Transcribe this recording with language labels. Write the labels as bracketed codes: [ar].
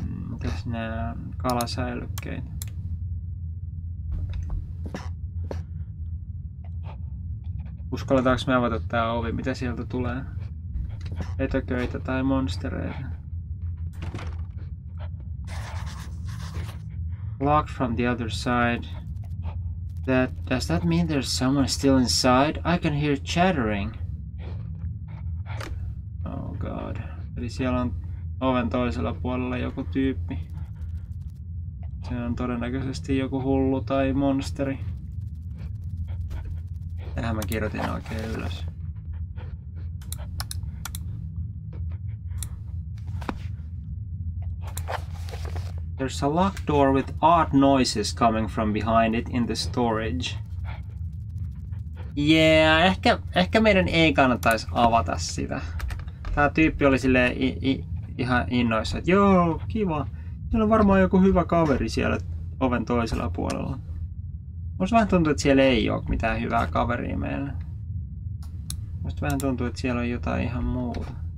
[fi] Mitäs nää on? Kalasäilykkeitä. Uskalletaanko me avata tää ovi? Mitä sieltä tulee? Etököitä tai monstereita? [en] Lock from the other side. Does that mean there's someone still inside? I can hear chattering. Oh god. [fi] Eli siellä on oven toisella puolella joku tyyppi. Se on todennäköisesti joku hullu tai monsteri. Tähän mä kirjoitin oikein ylös. [en] There's a locked door with odd noises coming from behind it in the storage. [fi] Yeah, ehkä meidän ei kannattaisi avata sitä. Tää tyyppi oli silleen ihan innoissa, että joo, kiva. Siellä on varmaan joku hyvä kaveri siellä oven toisella puolella. Musta vähän tuntuu, että siellä ei oo mitään hyvää kaveria meillä. Musta vähän tuntuu, että siellä on jotain ihan muuta.